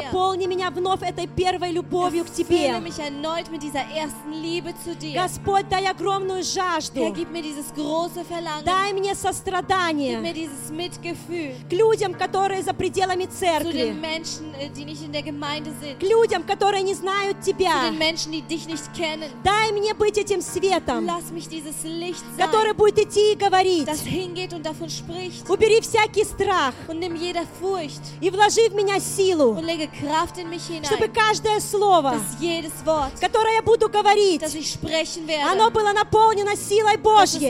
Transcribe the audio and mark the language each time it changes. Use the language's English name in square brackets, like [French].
[Russian] Наполни меня вновь этой первой любовью к тебе. [German] Erfülle mich erneut mit dieser ersten Liebe zu dir. [Russian] Господь, дай огромную жажду. [German] Herr, gib mir dieses große Verlangen. [Russian] Дай мне сострадание. [German] Gib mir dieses Mitgefühl. [Russian] К людям, которые за пределами церкви. [German] Zu den Menschen, die nicht in der Gemeinde sind. [Russian] К людям, которые не знают тебя. [German] Zu den Menschen, die dich nicht kennen. [Russian] Дай мне быть этим светом, [German] lass mich dieses Licht sein, [Russian] который будет идти и говорить, [German] das hingeht und davon spricht, [Russian] убери всякий страх [German] und nimm jede Furcht, [Russian] и вложи в меня силу, [German] und lege Kraft in mich hinein, [Russian] чтобы каждое слово, [German] dass jedes Wort, [Russian] которое я буду говорить, [German] das ich sprechen werde, [Russian] оно было наполнено силой Божьей,